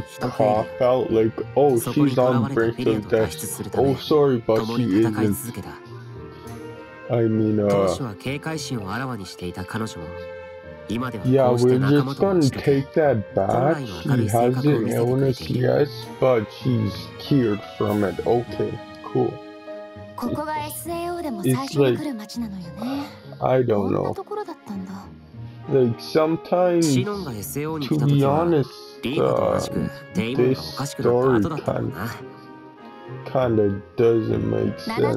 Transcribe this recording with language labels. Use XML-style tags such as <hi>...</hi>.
<ja>人で、そこに囚われたフィリアと脱出するため、共に戦い続けた。当初は警戒心をあらわにしていた彼女も、今ではこうして仲間として、本来の明るい性格を見せてくれている。</ja> <en>Yeah, we're just gonna take that back. She has an illness, yes, but she's cured from it. Okay, cool.</en> <ja>ここが SAO でも最初に来る街なのよね。</ja> <en>I don't know.</en> <ja>こんなところだったんだ。</ja> <en>Like, sometimes,</en> <ja>シノンが SAO に来た時は、リーガとおかしく、デイモンがおかしくなった後だったんだな。</ja> <en>Kind of doesn't make sense.</en>